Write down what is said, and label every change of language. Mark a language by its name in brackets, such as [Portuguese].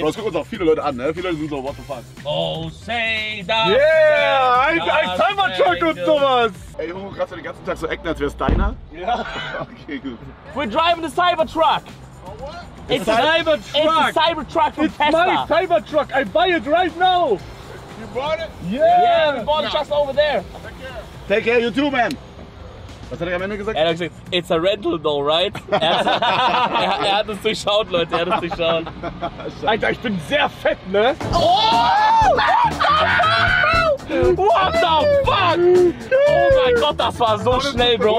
[German] Bro, das gucken uns auch viele Leute an, ne? Viele Leute sind so, [English] what the fuck? Oh, say that. [German] Yeah, ein Cybertruck und sowas. Ey, Junge, kannst du den ganzen Tag so acten, als wär's deiner? Ja. Okay, gut. [English] We're driving the Cybertruck. It's a Cybertruck from Tesla. I buy it right now. You bought it? Yeah. We bought it just over there. Take care, you too, man. [German] Was hat er am Ende gesagt? Er hat gesagt, [English] it's a rental though, right? [German] Er hat es durchschaut, Leute. Er hat es durchschaut. Alter, ich bin sehr fett, ne? [English] What the fuck? [German] Oh mein Gott, das war so schnell, Bro.